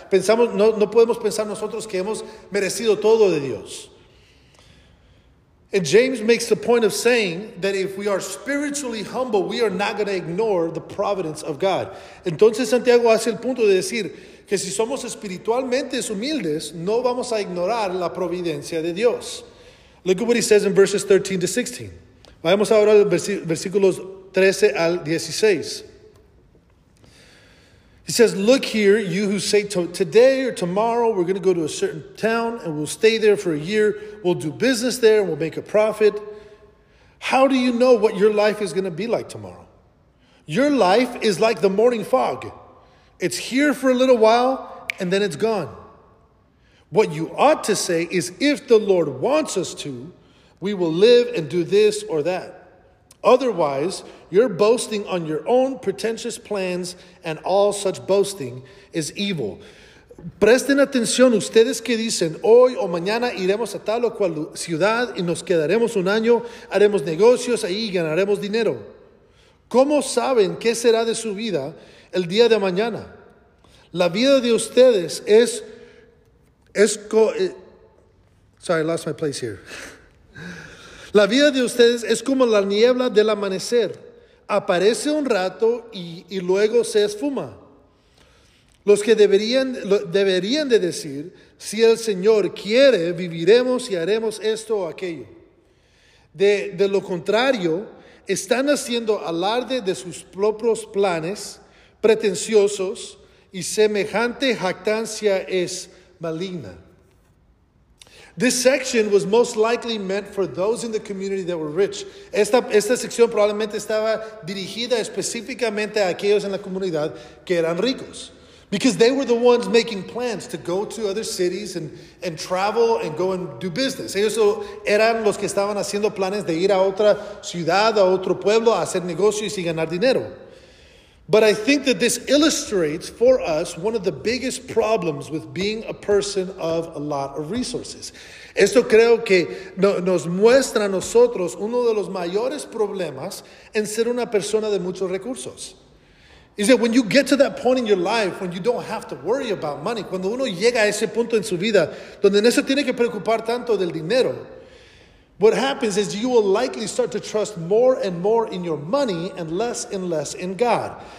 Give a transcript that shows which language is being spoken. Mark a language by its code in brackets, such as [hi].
[es] Pensamos, no podemos pensar nosotros que hemos merecido todo de Dios. [en] And James makes the point of saying that if we are spiritually humble, we are not going to ignore the providence of God. [es] Entonces Santiago hace el punto de decir que si somos espiritualmente humildes, no vamos a ignorar la providencia de Dios. [en] Look at what he says in verses 13 to 16. [es] Vayamos ahora a versículos 13 al 16. [en] He says, look here, you who say today or tomorrow, we're going to go to a certain town and we'll stay there for a year. We'll do business there and we'll make a profit. How do you know what your life is going to be like tomorrow? Your life is like the morning fog. It's here for a little while and then it's gone. What you ought to say is, if the Lord wants us to, we will live and do this or that. Otherwise, you're boasting on your own pretentious plans, and all such boasting is evil. [es] Presten atención, ustedes que dicen, hoy o mañana iremos a tal o cual ciudad y nos quedaremos un año, haremos negocios ahí y ganaremos dinero. ¿Cómo saben qué será de su vida el día de mañana? La vida de ustedes La vida de ustedes es como la niebla del amanecer. Aparece un rato y luego se esfuma. Los que deberían de decir, si el Señor quiere, viviremos y haremos esto o aquello. De lo contrario, están haciendo alarde de sus propios planes pretenciosos y semejante jactancia es maligna. [en] This section was most likely meant for those in the community that were rich. [es] Esta sección probablemente estaba dirigida específicamente a aquellos en la comunidad que eran ricos. [en] Because they were the ones making plans to go to other cities and travel and go and do business. [es] Ellos eran los que estaban haciendo planes de ir a otra ciudad, a otro pueblo, a hacer negocios y ganar dinero. [en] But I think that this illustrates for us one of the biggest problems with being a person of a lot of resources. [es] Esto creo que nos muestra a nosotros uno de los mayores problemas en ser una persona de muchos recursos. [en] Is that when you get to that point in your life when you don't have to worry about money, [es] cuando uno llega a ese punto en su vida donde no se tiene que preocupar tanto del dinero, [en] what happens is you will likely start to trust more and more in your money and less in God.